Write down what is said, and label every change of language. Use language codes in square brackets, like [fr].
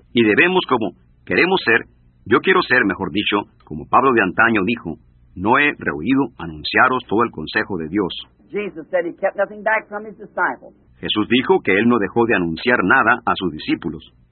[es] Y debemos como queremos ser, yo quiero ser, mejor dicho, como Pablo de antaño dijo, no he rehuido anunciaros todo el consejo de Dios. [en] Jesus said he kept nothing back from his disciples. [es] Jesús dijo que él no dejó de anunciar nada a sus discípulos.